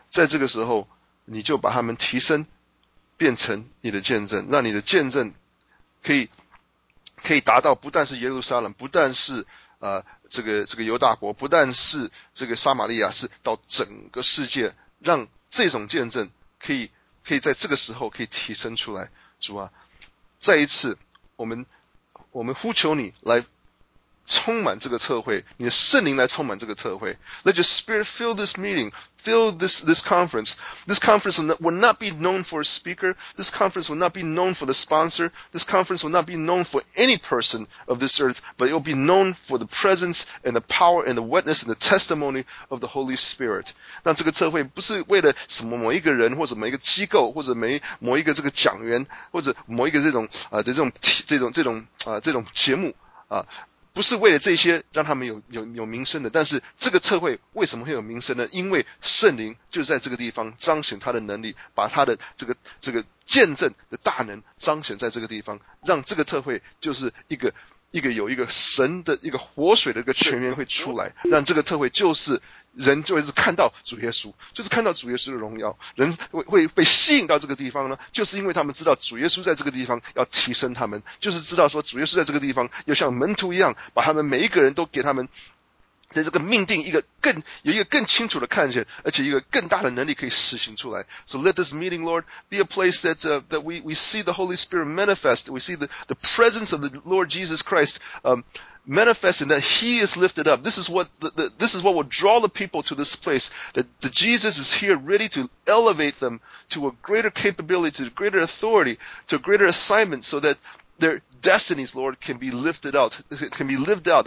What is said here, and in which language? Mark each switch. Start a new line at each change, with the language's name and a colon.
Chinese: 在这个时候，你就把他们提升，变成你的见证，让你的见证可以达到不但是耶路撒冷，不但是这个犹大国，不但是这个撒玛利亚，是到整个世界，让这种见证可以在这个时候可以提升出来，是吧？再一次，我们呼求你来充满这个特会，你的圣灵来充满这个特会。
English: Let your spirit fill this meeting, fill this conference. This conference will not be known for a speaker. This conference will not be known for the sponsor. This conference will not be known for any person of this earth, but it will be known for the presence and the power and the witness and the testimony of the Holy Spirit.
Chinese: 那这个特会不是为了什么某一个人或者某一个机构或者某一个这个讲员或者某一个这种节目啊。不是为了这些让他们有名声的，但是这个特会为什么会有名声呢？因为圣灵就在这个地方彰显他的能力，把他的这个见证的大能彰显在这个地方，让这个特会就是一个有一个神的一个活水的一个泉源会出来，让这个特会就是人就是看到主耶稣，就是看到主耶稣的荣耀，人会被吸引到这个地方呢，就是因为他们知道主耶稣在这个地方要提升他们，就是知道说主耶稣在这个地方要像门徒一样，把他们每一个人都给他们在这个命定有一个更清楚的看见，而且一个更大的能力可以实行出来。
English: So let this meeting, Lord, be a place that, that we see the Holy Spirit manifest. We see the presence of the Lord Jesus Christ, manifesting that He is lifted up. This is what will draw the people to this place, that Jesus is here ready to elevate them to a greater capability, to a greater authority, to a greater assignment so that their destinies, Lord, can be lifted out, can be lived out.